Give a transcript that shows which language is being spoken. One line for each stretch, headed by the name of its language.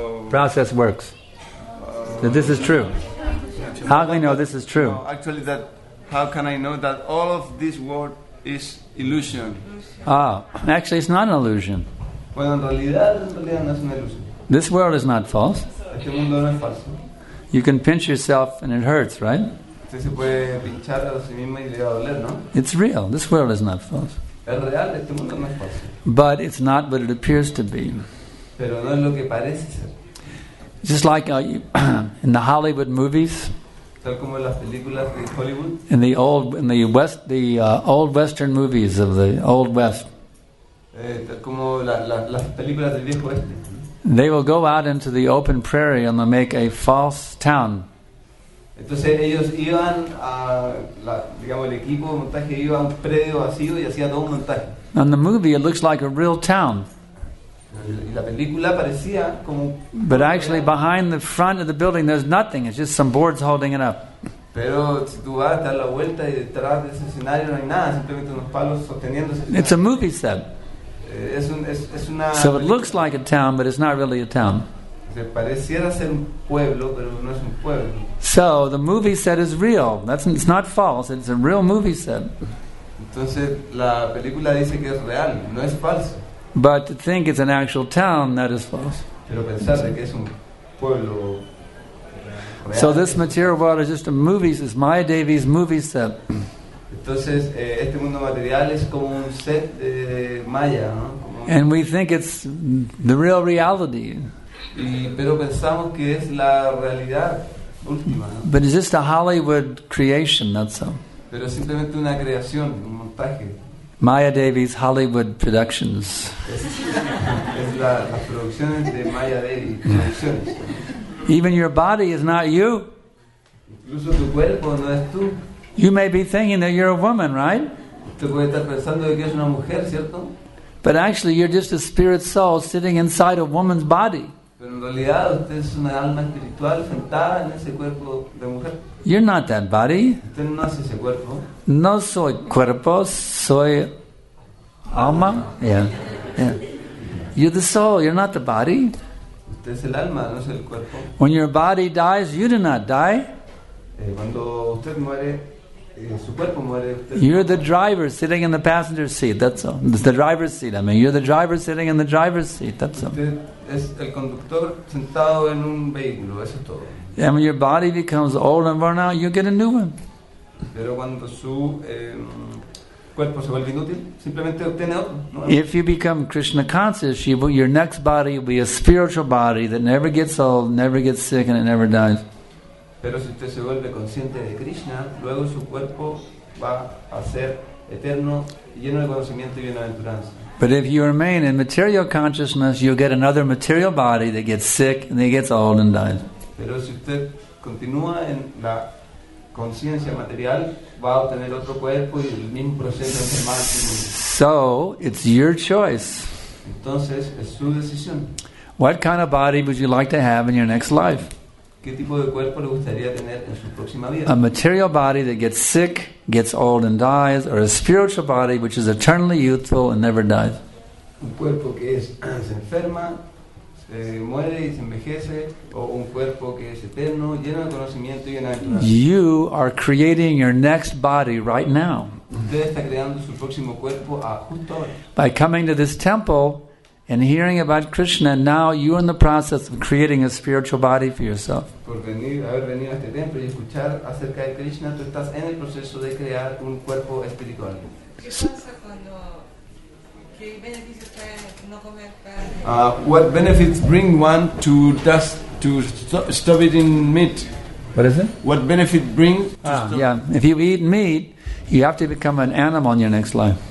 English: process works. That this is true. How can I know this is true? No, actually, that how can I know that all of this world is illusion? Ah, actually, it's not an illusion.
Spanish: Bueno, en realidad no es una ilusión.
English: This world is not false.
Spanish: Este mundo no es falso.
English: You can pinch yourself and it hurts, right?
Spanish: Usted se puede pinchar a sí mismo y le va a doler, ¿no?
English: It's real. This world is not false.
Spanish: Es real. Este mundo no es falso.
English: But it's not what it appears to be.
Spanish: Pero no es lo que parece ser.
English: Just like in the Hollywood movies.
Spanish: Tal como las películas de Hollywood.
English: Old Western movies of the Old West.
Spanish: Tal como las películas del viejo oeste.
English: They will go out into the open prairie and they'll make a false town.
Spanish: Entonces ellos iban a el equipo de montaje iba a un predio vacío y hacía todo un montaje.
English: In the movie it looks like a real town.
Spanish: La película parecía como
English: but actually behind the front of the building there's nothing, it's just some boards holding it up.
Spanish: Pero si tú vas a dar la vuelta y detrás de ese escenario no hay nada, simplemente unos palos sosteniendo ese escenario.
English: It's a movie set.
Spanish: Es una película.
English: It looks like a town but it's not really a town.
Spanish: Se pareciera ser un pueblo pero no es un pueblo.
English: So the movie set is real. It's not false, it's a real movie set.
Spanish: Entonces la película dice que es real, no es falso.
English: But to think it's an actual town, that is false.
Spanish: Pero pensar de que es un pueblo
English: so this material world is just a movie, it's Maya Devi's movie set.
Spanish: Entonces, este mundo material es como un set de Maya, ¿no?
English: And we think it's the real reality.
Spanish: Pero pensamos que es la realidad última, ¿no?
English: But it's just a Hollywood creation, that's all.
Spanish: Pero simplemente una creación, un montaje.
English: Maya Devi's Hollywood Productions.
Spanish: Es las producciones de Maya Devi. Producciones.
English: Even your body is not you.
Spanish: Incluso tu cuerpo no es tú.
English: You may be thinking that you're a woman, right?
Spanish: Tú puedes estar pensando que eres una mujer, ¿cierto?
English: But actually, you're just a spirit soul sitting inside a woman's body.
Spanish: Pero en realidad, usted es una alma espiritual sentada en ese cuerpo de mujer.
English: You're not that body.
Spanish: Usted no es ese cuerpo. No soy cuerpo, soy alma. Yeah.
English: You're the soul, you're not the body.
Spanish: Usted es el alma, no es el cuerpo.
English: When your body dies, you do not die.
Spanish: Cuando usted muere,
English: You're the driver sitting in the passenger seat, that's all. It's the driver's seat, I mean. You're the driver sitting in the driver's seat, that's all.
Spanish: Es el conductor sentado en un vehículo, eso es todo.
English: And when your body becomes old and worn out, you get a new one.
Spanish: Pero cuando su cuerpo se vuelve inútil, simplemente obtiene otro.
English: If you become Krishna conscious, your next body will be a spiritual body that never gets old, never gets sick, and it never dies.
Spanish: Pero si usted se vuelve consciente de Krishna, luego su cuerpo va a ser eterno, lleno de conocimiento y bienaventuranza.
English: But if you remain in material consciousness, you'll get another material body that gets sick and it gets old and dies.
Spanish: Pero si usted continúa en la conciencia material, va a obtener otro cuerpo y el mismo proceso de enfermedad.
English: So, it's your choice.
Spanish: Entonces, es su decisión.
English: What kind of body would you like to have in your next life?
Spanish: ¿Qué tipo de cuerpo le gustaría tener en su próxima vida?
English: A material body that gets sick, gets old and dies, or a spiritual body which is eternally youthful and never dies.
Spanish: Un cuerpo que es, se enferma, se muere y se envejece, o un cuerpo que es eterno, lleno de conocimiento y lleno de vida.
English: You are creating your next body right now.
Spanish: Usted está creando su próximo cuerpo justo ahora.
English: By coming to this temple and hearing about Krishna, now you're in the process of creating a spiritual body for yourself.
Spanish: Por venir, haber venido a este templo y escuchar acerca de Krishna, tú estás en el proceso de crear un cuerpo espiritual. ¿Qué pasa cuando qué beneficios trae no comer carne?
English: What benefits bring one to just to stop eating meat? What is it? What benefit brings? If you eat meat, you have to become an animal in your next life.